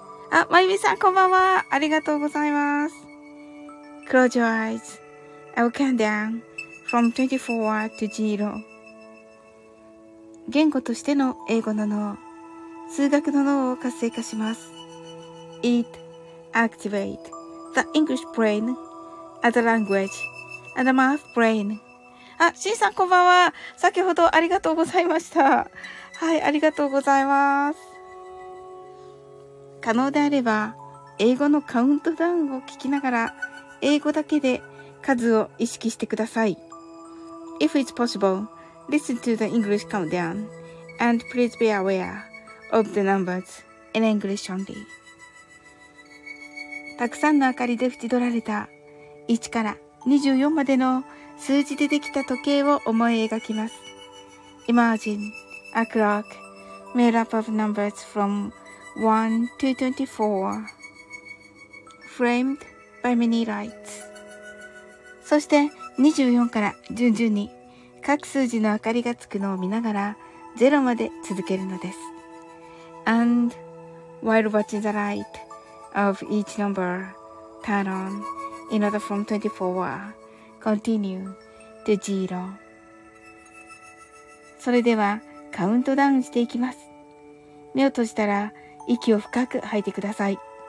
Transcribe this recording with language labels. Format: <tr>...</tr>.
<ja>あ、まゆみさん、こんばんは。ありがとうございます。</ja> <en>Close your eyes. I will count down from 24 to 0.</en> <ja>言語としての英語の脳。数学の脳を活性化します。</ja> <en>It activate the English brain as a language and a math brain.</en> <ja>あ、しんさんこんばんは。先ほどありがとうございました。はい、ありがとうございます。可能であれば、英語のカウントダウンを聞きながら、英語だけで数を意識してください。</ja> <en>If it's possible, listen to the English countdown and please be aware. Of the numbers in English only.</en> <ja>たくさんの明かりで縁取られた1から24までの数字でできた時計を思い描きます。</ja> <en>Imagine a clock made up of numbers from 1 to 24, framed by many lights.</en> <ja>そして24から順々に各数字の明かりがつくのを見ながら0まで続けるのです。</ja> <en>And while watching the light of each number turn on in order from 24, continue to zero.</en> <ja>それではカウントダウンしていきます。目を閉じたら息を深く吐いてください。</ja>